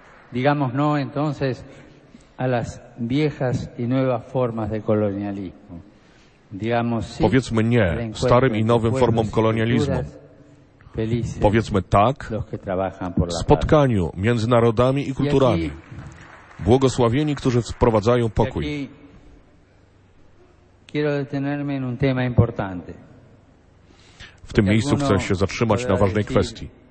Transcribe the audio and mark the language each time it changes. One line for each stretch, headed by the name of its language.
Spanish: Digamos no entonces a las viejas y nuevas formas de colonialismo. Digamos sí.
Polish: Powiedzmy nie starym i nowym formom kolonializmu. Powiedzmy tak spotkaniu między narodami i kulturami. Błogosławieni, którzy wprowadzają pokój.
Spanish: Quiero detenerme en un tema importante.
Polish: W tym miejscu chcę się zatrzymać na ważnej kwestii.